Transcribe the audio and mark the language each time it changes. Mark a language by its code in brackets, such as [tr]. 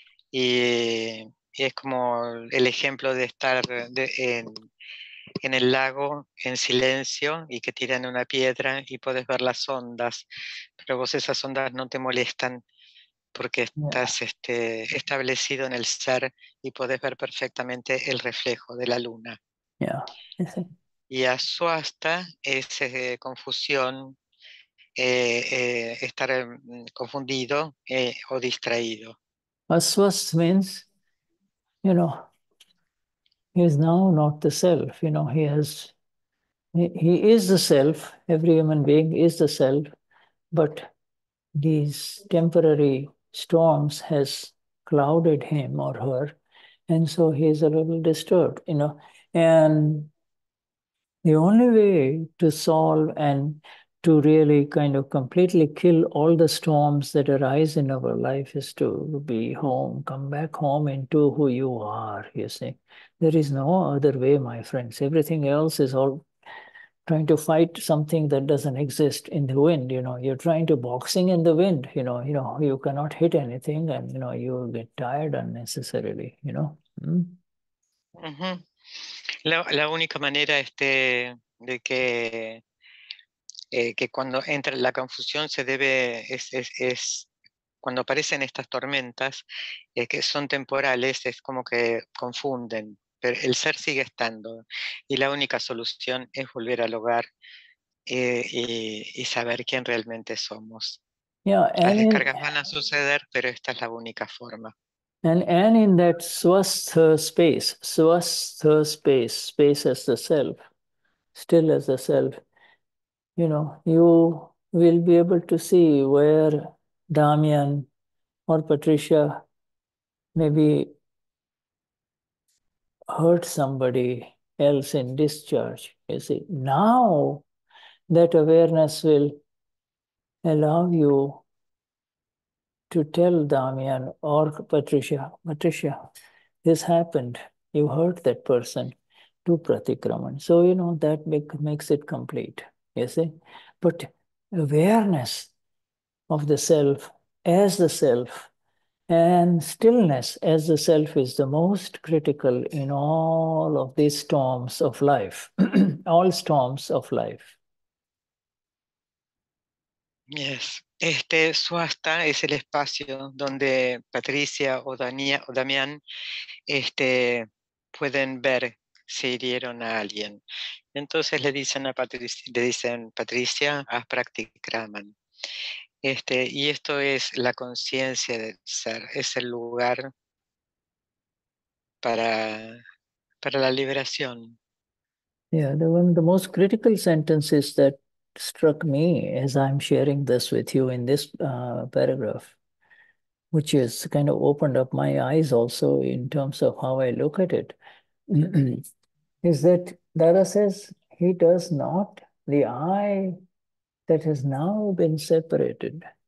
[es] Y es como el ejemplo de estar en el lago, en silencio, y que tiran una piedra y puedes ver las ondas, pero vos esas ondas no te molestan porque estás establecido en el ser y puedes ver perfectamente el reflejo de la luna. [en] Yeah. [es] Y aswastha es confusión, estar confundido o distraído. [en] Aswastha means, you know, he is now not the self, you know, he is the self, every human being is the self, but these temporary storms has clouded him or her, and so he is a little disturbed, you know, and the only way to solve and to really kind of completely kill all the storms that arise in our life is to be home, come back home into who you are, you see. There is no other way, my friends. Everything else is all trying to fight something that doesn't exist in the wind, you know. You're trying to boxing in the wind, you know, you cannot hit anything and, you know, you get tired unnecessarily, you know. [es] La única manera de que cuando entra la confusión se debe es cuando aparecen estas tormentas que son temporales, es como que confunden, pero el ser sigue estando y la única solución es volver al hogar y saber quién realmente somos. [en] Yeah, [es] las descargas van a suceder, pero esta es la única forma. [en] And in that swastha space, space as the self, still as the self, you know, you will be able to see where Damian or Patricia maybe hurt somebody else in discharge. You see, now that awareness will allow you to tell Damian or Patricia, Patricia, this happened, you hurt that person, to pratikraman. So, you know, that makes it complete, you see. But awareness of the self as the self and stillness as the self is the most critical in all of these storms of life, all storms of life. Yes. [es] Swasta es el espacio donde Patricia o Dania o Damián pueden ver si hirieron a alguien. Entonces le dicen a Patricia, le dicen Patricia, haz practikraman. Y esto es la conciencia del ser, es el lugar para la liberación. [en] Yeah, the one of the most critical sentences that struck me as I'm sharing this with you in this paragraph, which has kind of opened up my eyes also in terms of how I look at it, is that Dada says he does not, the I that has now been separated